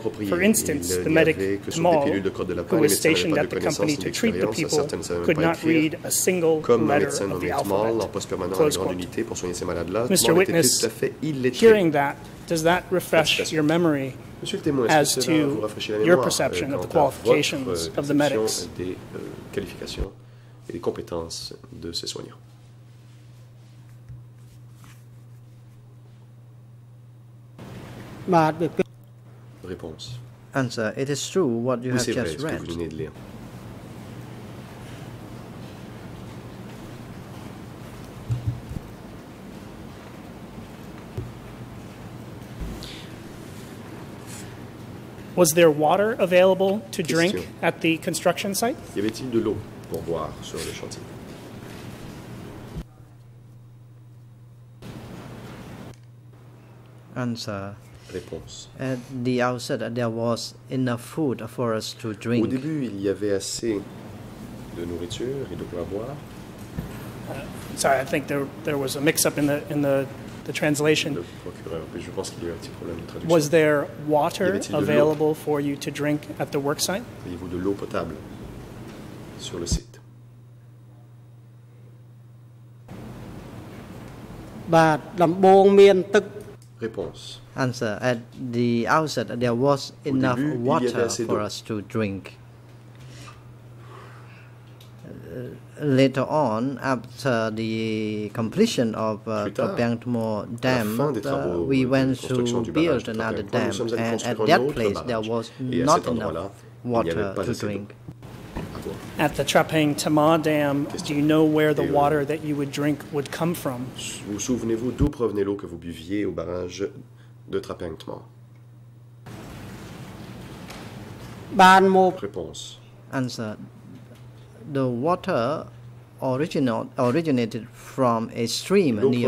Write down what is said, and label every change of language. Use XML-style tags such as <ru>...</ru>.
<en>For instance, the medic Kamal, who was stationed at the company to treat the people, could not read a single letter of the alphabet. Mr. Witness, hearing that, does that refresh your memory as to your perception of the qualifications of the medics?</en> <fr>Des qualifications et des compétences de ces soignants. Réponse.</fr> <en>Answer. It is true what you have just read.</en> <fr>Vous venez de lire.</fr> <en>Was there water available to drink at the construction site?</en> <fr>Y avait-il de l'eau pour boire sur le chantier?</fr> <en>Answer.</en> <fr>Réponse.</fr> <en>At the outset, there was enough food for us to drink.</en> <fr>Au début, il y avait assez de nourriture et de quoi boire.</fr> <en>Sorry, I think there was a mix-up in the translation.</en> <fr>Le procureur, mais je pense qu'il y a eu un petit problème de traduction.</fr> <en>Was there water available for you to drink at the work site?</en> <fr>Avez-vous de l'eau potable sur le site? Réponse.</fr> <en>Answer. At the outset, there was enough water for us to drink. Later on, after the completion of Topiangtmo Dam, we went to build another dam, and at that place, there was not enough water to drink. At the Trapang Tama Dam, do you know where the water that you would drink would come from?</en> <fr>Vous souvenez-vous d'où provenait l'eau que vous buviez au barrage de Trapang Tama? Ban mo. Réponse.</fr> <en>Answer. the water originated from a stream nearby.</en>